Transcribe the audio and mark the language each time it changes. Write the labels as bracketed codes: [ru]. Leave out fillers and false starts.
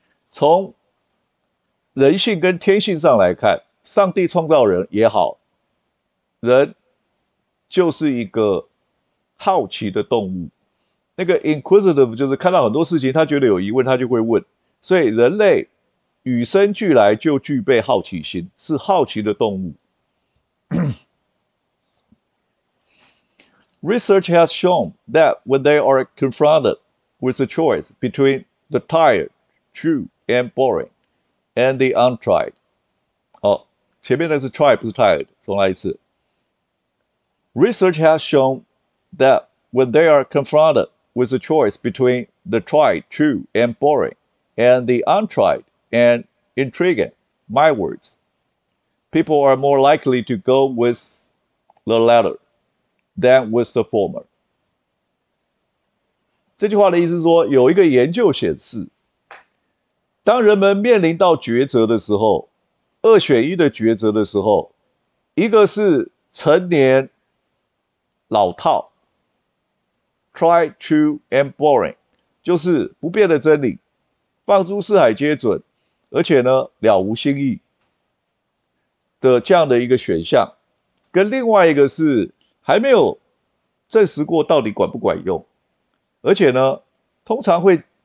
[zh] 从人性跟天性上来看，上帝创造人也好，人就是一个好奇的动物。那个 inquisitive 就是看到很多事情，他觉得有疑问，他就会问。所以人类与生俱来就具备好奇心，是好奇的动物。 [en] Research has shown that when they are confronted with a choice between the tired, true, and boring。 And the untried， [zh] 哦，前面的是 try 不是 tired，重来一次。 [en] Research has shown that when they are confronted with a choice between the tried, true, and boring, and the untried and intriguing, my words, people are more likely to go with the latter than with the former。 [zh] 这句话的意思说，有一个研究显示。当人们面临到抉择的时候，二选一的抉择的时候，一个是陈年老套 [en] （tried, true, and boring）， [zh] 就是不变的真理，放诸四海皆准，而且呢了无新意的这样的一个选项，跟另外一个是还没有证实过到底管不管用，而且呢通常会。